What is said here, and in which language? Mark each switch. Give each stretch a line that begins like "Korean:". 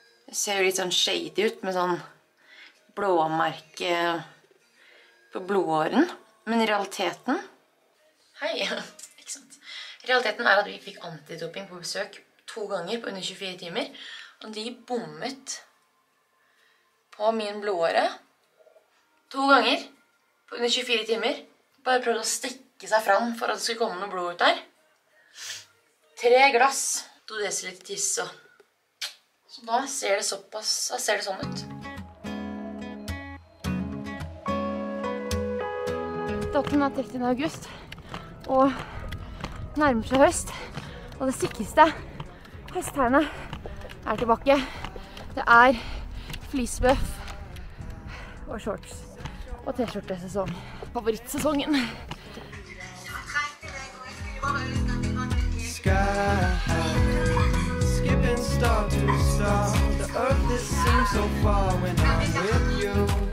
Norwegian: Det ser jo litt sånn shady ut med sånn blåmerke på blodåren. Men realiteten... Hei, ikke sant? Realiteten at vi fikk antidoping på besøk 2 ganger på under 24 timer. Og de bommet på min blodåre 2 ganger på under 24 timer. Bare prøvde å stikke seg fram for at det skulle komme noe blod ut der. 3 glass, 2 dl tiss, og så da ser det såpass, da ser det sånn ut. Datoen 13. august, og nærmer seg høst, og det sikreste høsttegnet tilbake. Det fleecebuff og shorts, og t-skjortesesong. Favorittsesongen.
English: Skipping star to star, the earth is seems so far when I'm with you.